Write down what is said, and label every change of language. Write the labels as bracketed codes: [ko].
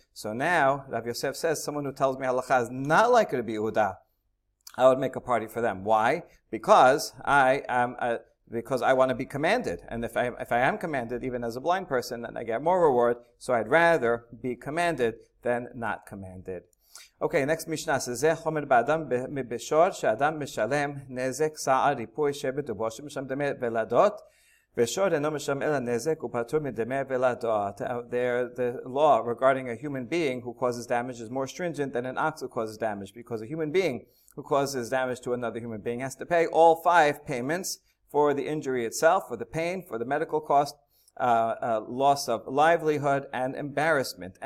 [en] So now, Rav Yosef says, someone who tells me halacha is not like Rabbi Yehuda, I would make a party for them. Why? Because I want to be commanded. And if I am commanded, even as a blind person, then I get more reward. So I'd rather be commanded than not commanded. Okay, next Mishnah says, [he] זה חומר באדם מבשור שאדם משלם נזק סער ריפוי שבט ובושם משם דמי ולדות, ושור אינו משם אלא נזק ופטור מדמי ולדות. [en] The law regarding a human being who causes damage is more stringent than an ox who causes damage, because a human being who causes damage to another human being has to pay all five payments for the injury itself, for the pain, for the medical cost, loss of livelihood and embarrassment.